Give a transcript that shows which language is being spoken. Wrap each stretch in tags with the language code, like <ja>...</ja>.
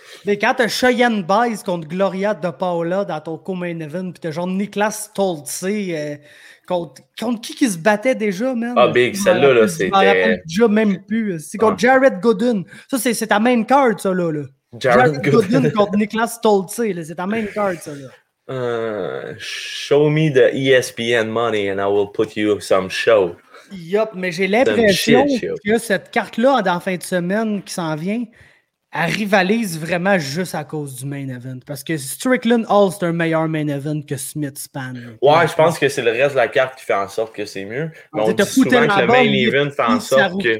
<fr>Mais quand t'as Cheyenne Baez contre Gloria De Paola dans ton co-main event, pis t'as genre Niklas Stolze contre qui se battait déjà, man? Ah, big, celle-là, là, c'était... Je déjà même plus. C'est contre Jared Gooden. Ça, c'est ta main card, ça, là. Jared Gooden contre Niklas Stolze, là. C'est ta main card, ça, là.</fr> <en>Show me the ESPN money and I will put you some show.</en> <fr>Yup, mais j'ai l'impression que cette carte-là en fin de semaine qui s'en vient, elle rivalise vraiment juste à cause du main event. Parce que Strickland Hall, c'est un meilleur main event que Smith Span. Ouais, je pense que c'est le reste de la carte qui fait en sorte que c'est mieux. Mais on dit souvent que le main event fait en sorte que...</fr>